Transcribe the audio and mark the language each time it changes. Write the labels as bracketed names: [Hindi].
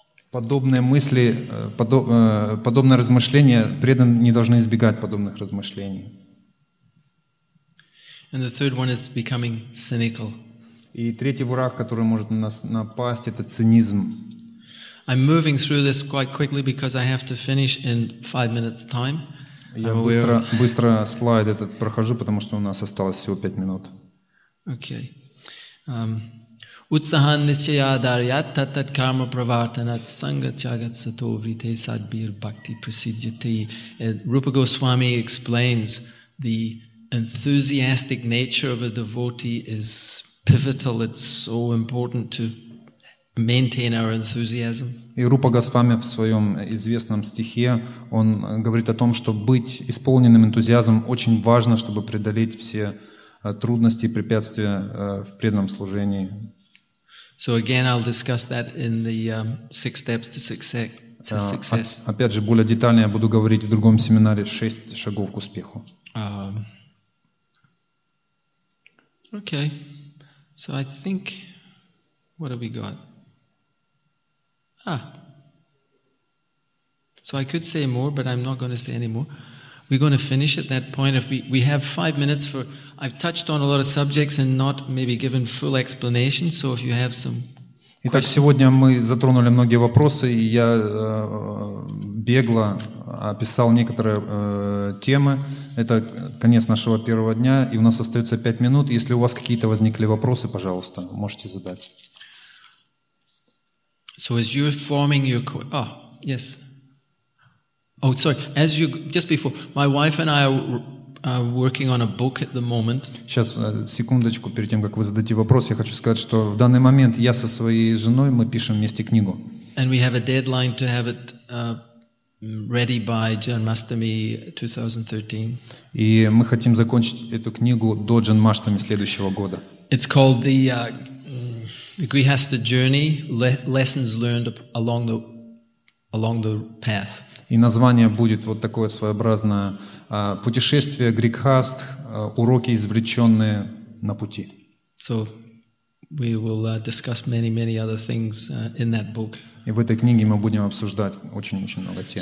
[Russian] Подобные мысли, подобное размышление, преданные не должны избегать подобных размышлений. [English] And the third one is becoming cynical. [Russian] И третий враг, который может на нас напасть, это цинизм. [English] I'm moving through this quite quickly because I have to finish in 5 minutes time. [Russian] Я быстро слайд этот прохожу, потому что у нас осталось всего 5 минут. [Sanskrit] Okay. Utsahan nishaya dharyat tat tat karma pravartanat sanga chagat sato vrite sadbir bhakti prasidyate. [English] Rupa Goswami explains the enthusiastic nature of a devotee is pivotal, it's so important to maintain our enthusiasm. [Russian] И Рупа Госвами в своем известном стихе, он говорит о том, что быть исполненным энтузиазмом очень важно, чтобы преодолеть все трудности и препятствия в преданном служении. [English] So again, I'll discuss that in the six steps to success. [Russian] Опять же, более детально я буду говорить в другом семинаре шесть шагов к успеху. [English] Okay. So I think, what have we got? So I could say more, but I'm not going to say any more. We're going to finish at that point. If we have 5 minutes for. I've touched on a lot of subjects and not maybe given full explanation. So if you have some. [Russian] Итак, сегодня мы затронули многие вопросы, и я бегло описал некоторые темы. Это конец нашего первого дня, и у нас остается 5 минут. Если у вас какие-то возникли вопросы, пожалуйста, можете задать. [English] So as you're forming your. Yes. As you just before, my wife and I are working on a book at the moment. [Russian] Сейчас секундочку, перед тем как вы зададите вопрос, я хочу сказать, что в данный момент я со своей женой мы пишем вместе книгу. [English] And we have a deadline to have it ready by Janmashtami 2013. [Russian] И мы хотим закончить эту книгу до Janmashtami следующего года. [English] It's called the Grihastha Journey: Lessons Learned Along the Path. [Russian] И название будет вот такое своеобразное: путешествие Грикхаст, уроки, извлеченные на пути. [English] So we will discuss many, many other things in that book. [Russian] И в этой книге мы будем обсуждать очень-очень много тем.